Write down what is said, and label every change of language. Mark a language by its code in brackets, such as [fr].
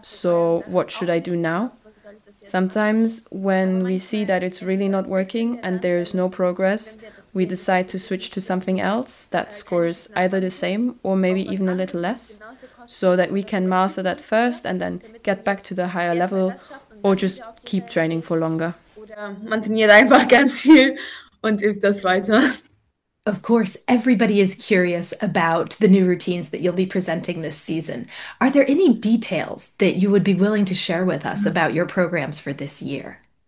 [en] So what should I do now? Sometimes when we see that it's really not working and there is no progress, we decide to switch to something else that scores either the same or maybe even a little less, so that we can master that first and then get back to the higher level or just keep training for longer. [de] Man trainiert einfach ganz viel und übt das weiter. [en] Of course, everybody is curious about the new routines that you'll be presenting this season. Are there any details that you would be willing to share with us about your programs for this year?